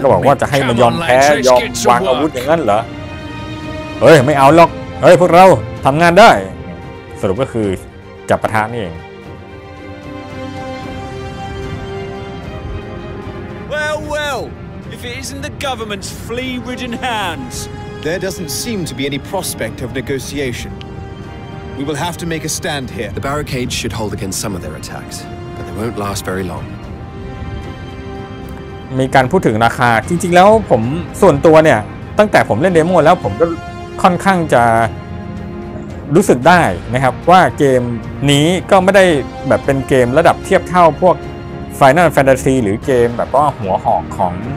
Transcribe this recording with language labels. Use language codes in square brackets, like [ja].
[th] ก็บอกว่าจะให้มันยอมแพ้ยอมวางอาวุธอย่างนั้นเหรอเฮ้ยไม่เอาหรอกเฮ้ยพวกเราทำงานได้สรุปก็คือจับประทานี่เอง [en] Well well if it isn't the government's flea ridden hands there doesn't seem to be any prospect of negotiationWe will have to make a stand here. The barricades should hold against some of their attacks, but they won't last very long. [th] มีการพูดถึงราคาจริงๆแล้วผมส่วนตัวเนี่ยตั้งแต่ผมเล่นเดโมแล้วผมก็ค่อนข้างจะรู้สึกได้นะครับว่าเกมนี้ก็ไม่ได้แบบเป็นเกมระดับเทียบเท่าพวก Final Fantasy หรือเกมแบบว่าหัวหอกของ